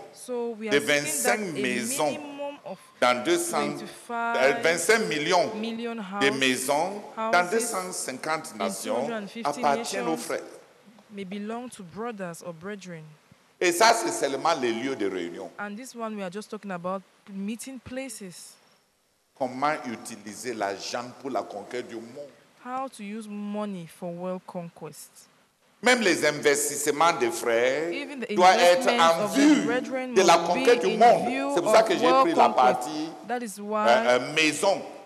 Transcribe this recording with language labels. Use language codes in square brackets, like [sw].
[en] so [fr] de 25 maisons dans 25 millions million de maisons [en] houses, [fr] dans 250 nations appartiennent aux frères. [en] May belong to brothers or brethren. [fr] Et ça, c'est seulement les lieux de réunion. [en] And this one we are just talking about meeting places. [fr] Comment utiliser l'argent pour la conquête du monde? [en] How to use money for world conquest? [fr] Même les investissements des frères doivent être en vue de la conquête du monde. C'est pour ça que j'ai pris [en] conquest. [fr] La partie maison.